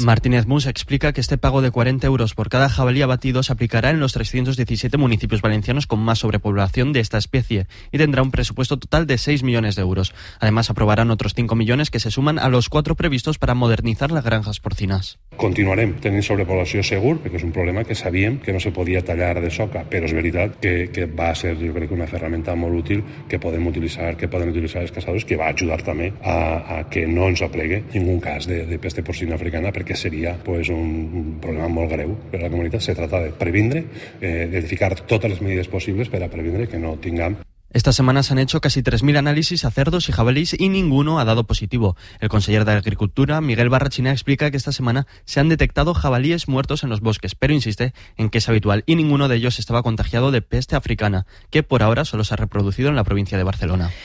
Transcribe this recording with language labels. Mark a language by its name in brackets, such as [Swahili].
[Spanish] Martínez Mus explica que este pago de 40 euros por cada jabalí abatido se aplicará en los 317 municipios valencianos con más sobrepoblación de esta especie y tendrá un presupuesto total de 6 millones de euros. Además, aprobarán otros 5 millones que se suman a los 4 previstos para modernizar las granjas porcinas. [Catalan] Continuarem tenint sobrepoblació segur, perquè és un problema que sabíem que no se podia tallar de soca, però és veritat que va ser, jo crec, una ferramenta molt útil que poden utilitzar els caçadors, que va ajudar també a que no ens aplegui ningú cas de peste porcina africana, perquè seria pues, un problema molt greu per a la comunitat. Se tracta de previndre, de ficar totes les mesures possibles per a previndre que no tengan. [Spanish] Esta semana se han hecho casi 3.000 análisis a cerdos y jabalís y ninguno ha dado positivo. El conseller de Agricultura, Miguel Barrachina, explica que esta semana se han detectado jabalíes muertos en los bosques, pero insiste en que es habitual y ninguno de ellos estaba contagiado de peste africana, que por ahora solo se ha reproducido en la provincia de Barcelona.